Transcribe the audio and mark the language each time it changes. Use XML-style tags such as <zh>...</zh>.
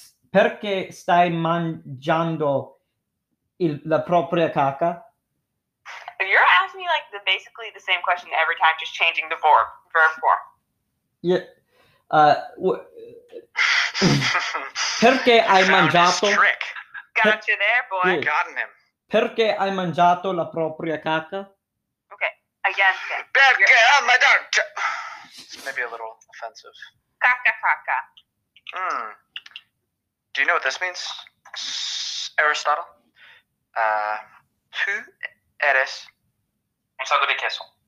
<it>Perché stai mangiando la propria caca?</it> <en>You're asking me like basically the same question every time, just changing the verb form.</en> <it>Perché hai mangiato?</it> <en>Trick. Got you there, boy. Yeah. Gotten him.</en> <it>Perché hai mangiato la propria caca?</it> <en>Okay, again.</en> <it>Perché hai mangiato?</it> <en>It's maybe a little offensive.</en> <it>Caca.</it> <en>Do you know what this means, Aristotle?</en> <es>Tu eres un saco de queso.</es>